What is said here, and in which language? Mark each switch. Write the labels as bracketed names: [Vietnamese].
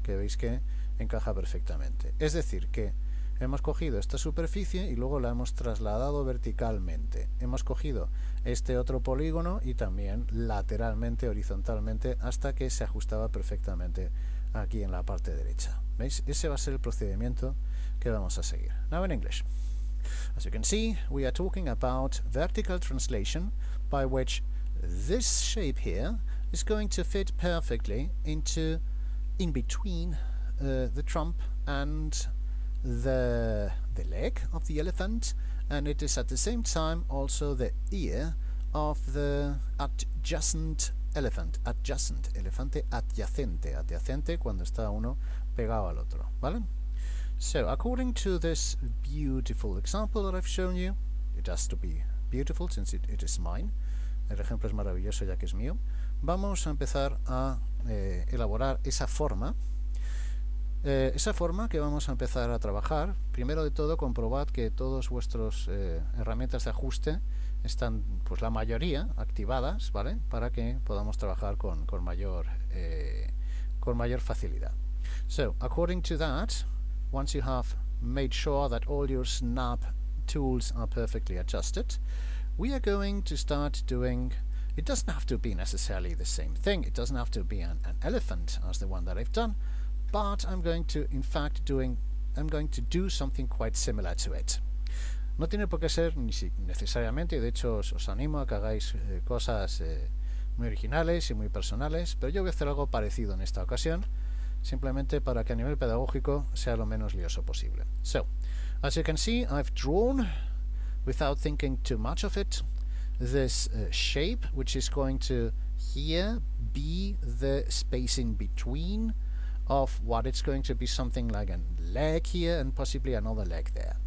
[Spanish] Que veis que encaja perfectamente. Es decir, que hemos cogido esta superficie y luego la hemos trasladado verticalmente. Hemos cogido este otro polígono y también lateralmente, horizontalmente, hasta que se ajustaba perfectamente aquí en la parte derecha. ¿Veis? Ese va a ser el procedimiento que vamos a seguir. [English] Now in English. As you can see, we are talking about vertical translation, by which this shape here is going to fit perfectly into in between the trunk and the leg of the elephant, and it is at the same time also the ear of the adjacent elephant. Adjacent, [Spanish] elefante adyacente. Adyacente, cuando está uno pegado al otro, ¿vale? [English] So, according to this beautiful example that I've shown you, it has to be beautiful since it is mine. [Spanish] El ejemplo es maravilloso ya que es mío. Vamos a empezar a elaborar esa forma. Esa forma que vamos a empezar a trabajar, primero de todo comprobad que todas vuestras herramientas de ajuste están, pues la mayoría, activadas, ¿vale? Para que podamos trabajar con mayor facilidad. [English] So, according to that, once you have made sure that all your snap tools are perfectly adjusted, we are going to start doing... It doesn't have to be necessarily the same thing. It doesn't have to be an elephant as the one that I've done. But I'm going to, in fact, do something quite similar to it. [Spanish] No tiene por qué ser ni si necesariamente, de hecho os animo a que hagáis cosas muy originales y muy personales, pero yo voy a hacer algo parecido en esta ocasión, simplemente para que a nivel pedagógico sea lo menos lioso posible. [English] So, as you can see, I've drawn, without thinking too much of it, this shape, which is going to here be the spacing between of what it's going to be, something like a leg here and possibly another leg there.